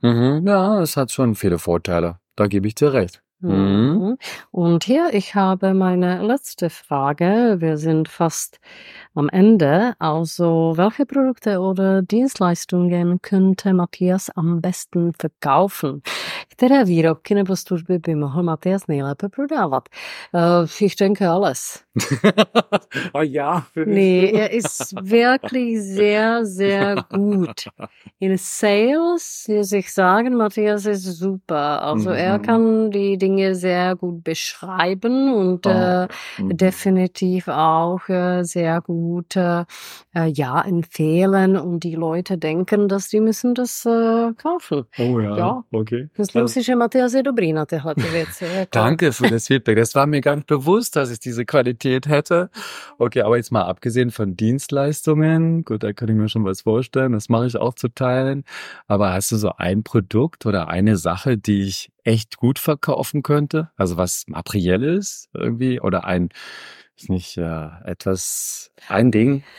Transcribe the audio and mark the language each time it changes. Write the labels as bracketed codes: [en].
[de] Ja, es hat schon viele Vorteile. Da gebe ich dir recht. Und hier, ich habe meine letzte Frage. Wir sind fast am Ende. Also, welche Produkte oder Dienstleistungen könnte Matthias am besten verkaufen? [cs] Které výrobky nebo služby by mohl Matyáš nejlépe prodávat? [de] Fichtenke alles. [cs] A já? [de] Nee, er ist wirklich sehr, sehr gut. [en] In sales, [de] muss ich sagen, Matyáš ist super. Also er kann die Dinge sehr gut beschreiben und definitiv auch sehr gut empfehlen. Und die Leute denken, dass die müssen das kaufen. Oh ja, ja. Okay. [cs] Myslím si, že Matyáš je dobrý na tyhle ty věci. [de] Danke für das Feedback. Das war mir gar nicht bewusst, dass ich diese Qualität hätte. Okay, aber jetzt mal abgesehen von Dienstleistungen. Gut, da kann ich mir schon was vorstellen. Das mache ich auch zu teilen. Aber hast du so ein Produkt oder eine Sache, die ich echt gut verkaufen könnte? Also was materiell ist irgendwie oder ein... Ist nicht etwas ein Ding?